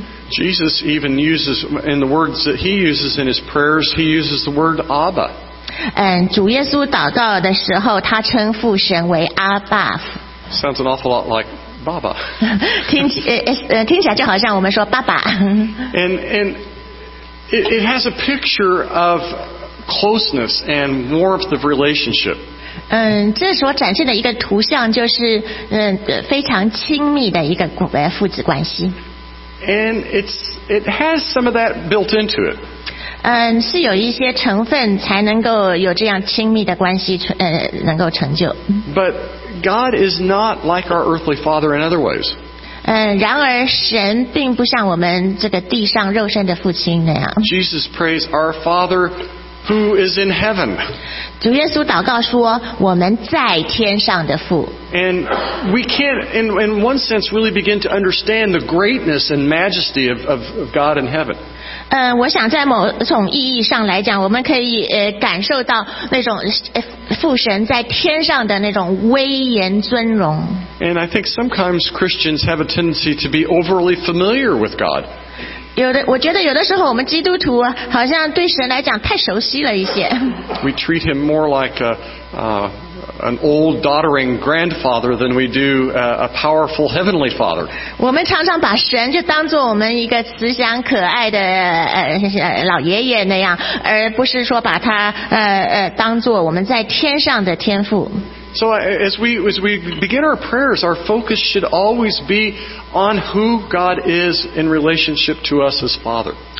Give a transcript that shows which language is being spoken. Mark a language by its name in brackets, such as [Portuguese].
[English] Jesus even uses in the words that he uses in his prayers, he uses the word Abba. [Chinese] 主耶稣祷告的时候，他称父神为阿爸。 [English] Sounds an awful lot like. [Chinese] 爸爸听起来就好像我们说爸爸。 [English] And it has a picture of closeness and warmth of relationship. [Chinese] 这所展现的一个图像就是非常亲密的一个父子关系。 [English] And it has some of that built into it. [Chinese] 是有一些成分才能够有这样亲密的关系能够成就。 [English] But,God is not like our earthly father in other ways. [Chinese] 然而神并不像我们这个地上肉身的父亲那样。 [English] Jesus prays, Our Father, who is in heaven. [Chinese] 主耶稣祷告说，我们在天上的父。 [English] And we can't, in one sense, really begin to understand the greatness and majesty of God in heaven. [Chinese] 我想在某种意义上来讲，我们可以感受到那种父神在天上的那种威严尊荣。 [English] And I think sometimes Christians have a tendency to be overly familiar with God. [Chinese] 我觉得有的时候我们基督徒好像对神来讲太熟悉了一些。 [English] We treat him more like an old doddering grandfather than we do a powerful heavenly father. [Chinese] 我们常常把神就当作我们一个慈祥可爱的老爷爷那样，而不是说把他当作我们在天上的天父。 [English] So as we begin our prayers, our focus should always be on who God is in relationship to us as Father.